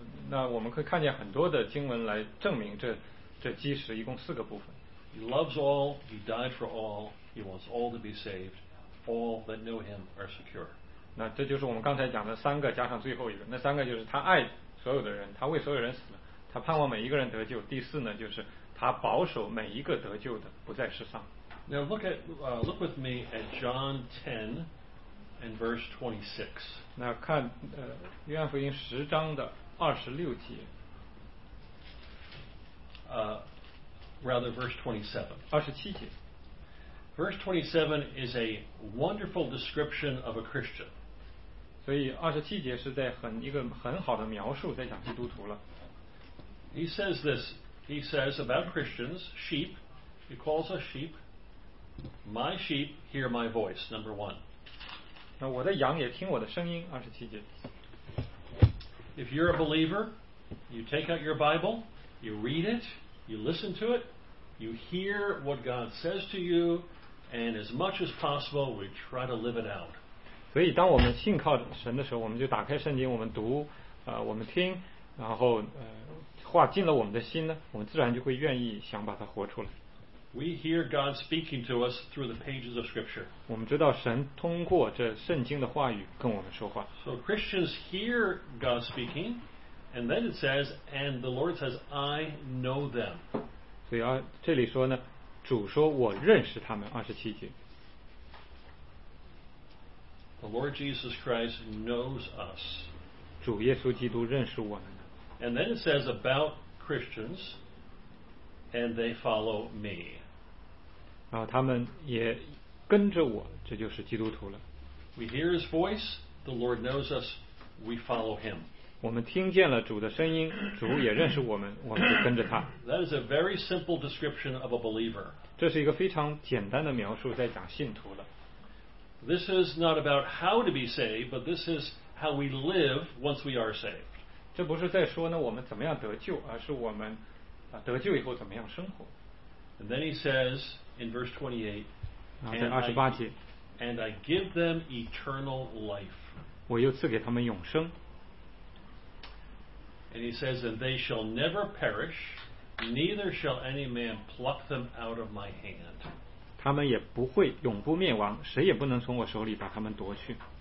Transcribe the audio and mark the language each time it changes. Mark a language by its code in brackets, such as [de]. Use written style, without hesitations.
[zh] 那我们可以看见很多的经文来证明这基石一共四个部分。 [en] He loves all. He died for all. He wants all to be saved. All that know him are secure. [zh] 那这就是我们刚才讲的三个加上最后一个。那三个就是他爱所有的人，他为所有人死了，他盼望每一个人得救。第四呢，就是他保守每一个得救的不再失丧。 [en] Now look with me at John 10 and verse 26. [zh] 那看约翰福音十章的二十六节。 [en] Rather verse 27. [zh] 二十七节。 [en] Verse 27 is a wonderful description of a Christian. [zh] 所以二十七节是在一个很好的描述，在讲基督徒了。 [en] He says this. He says about Christians, sheep. He calls us sheep. My sheep hear my voice, number one. [zh] 我的羊也听我的声音，二十七节。 [en] If you're a believer, you take out your Bible, you read it, you listen to it, you hear what God says to you, and as much as possible, we try to live it out. [zh] 所以当我们信靠神的时候，我们就打开圣经，我们读，我们听，然后话进了我们的心呢，我们自然就会愿意想把它活出来。 [en] We hear God speaking to us through the pages of Scripture. [zh] 我们知道神通过这圣经的话语跟我们说话。 [en] So Christians hear God speaking, and then it says, and the Lord says, I know them. [zh] 所以这里说呢，主说我认识他们，二十七节。 [en] The Lord Jesus Christ knows us. [zh] 主耶稣基督认识我们。 [en] And then it says about Christians. And they follow me. [zh] 然后他们也跟着我，这就是基督徒了。 [en] We hear his voice, the Lord knows us, we follow him. [zh] 我们听见了主的声音，主也认识我们，我们就跟着他。 [en] That is a very simple description of a believer. [zh] 这是一个非常简单的描述，在讲信徒了。 [en] This is not about how to be saved, but this is how we live once we are saved. [zh] 这不是在说呢我们怎么样得救，而是我们得救以后怎么样生活。 [en] And then he says in verse 28, [zh] 然后在二十八节, [en] and I give them eternal life. [zh] 我又赐给他们永生。 [en] And he says, and they shall never perish, neither shall any man pluck them out of my hand. [zh] 他们也不会永不灭亡，谁也不能从我手里把他们夺去。